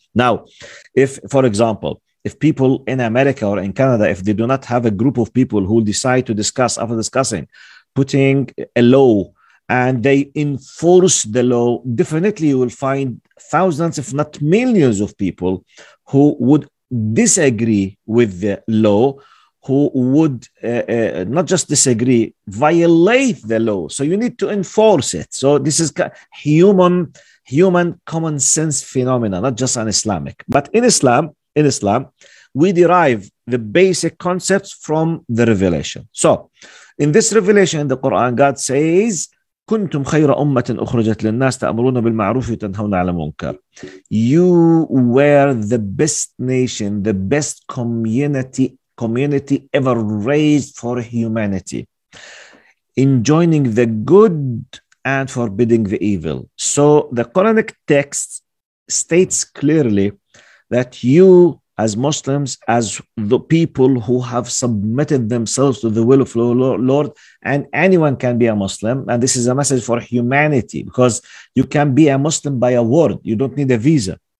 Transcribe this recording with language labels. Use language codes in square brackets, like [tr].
[en] Now, if, for example, if people in America or in Canada, if they do not have a group of people who decide to discuss, after discussing, putting a law, and they enforce the law, definitely you will find thousands, if not millions of people who would disagree with the law, who would not just disagree, violate the law. So you need to enforce it. So this is human common sense phenomena, not just an Islamic. But in Islam, we derive the basic concepts from the revelation. So in this revelation, the Quran, God says, [ar] كنتم خير أمة أخرجت للناس تأمرون بالمعروف وتنهون على المنكر. [en] You were the best nation, the best community ever raised for humanity, enjoining the good and forbidding the evil. So the Quranic text states clearly that you, as Muslims, as the people who have submitted themselves to the will of the Lord, and anyone can be a Muslim, and this is a message for humanity, because you can be a Muslim by a word. You don't need a visa.